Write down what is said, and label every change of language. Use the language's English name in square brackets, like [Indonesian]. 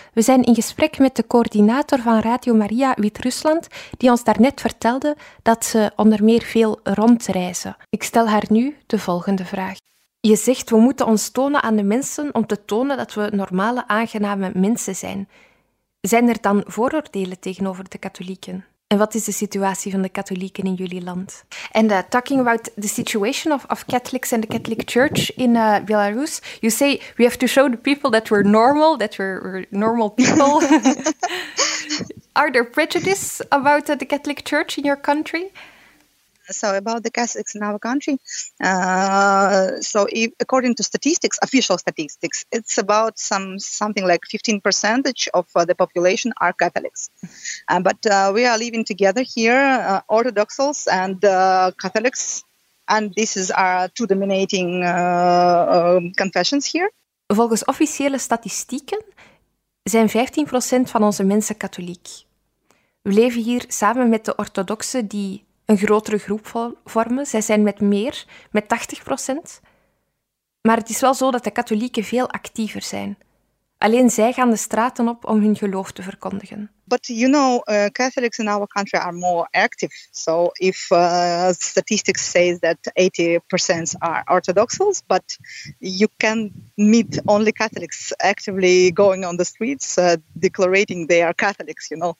[Dutch] We zijn in gesprek met de coördinator van Radio Maria Wit-Rusland, die ons daarnet vertelde dat ze onder meer veel rondreizen. Ik stel haar nu de volgende vraag. Je zegt, we moeten ons tonen aan de mensen om te tonen dat we normale, aangename mensen zijn. Zijn er dan vooroordelen tegenover de katholieken? En wat is de situatie van de katholieken in jullie land? [English] And talking about the situation of Catholics and the Catholic Church in Belarus, you say we have to show the people that we're normal, that we're normal people. Are there prejudices about the Catholic Church in your country? So about the Catholics in our country, if, according to statistics, official statistics, it's about something like 15% of the population are Catholics. But we are living together here, Orthodoxals and Catholics, and this is our two dominating confessions here. [Dutch] Volgens officiële statistieken zijn 15% van onze mensen katholiek. We leven hier samen met de orthodoxen die een grotere groep vormen. Zij zijn met meer, met 80%. Maar het is wel zo dat de katholieken veel actiever zijn. Alleen zij gaan de straten op om hun geloof te verkondigen. [English] But you know, Catholics in our country are more active. So if statistics says that 80% are orthodoxals, but you can meet only Catholics actively going on the streets, declaring they are Catholics, you know.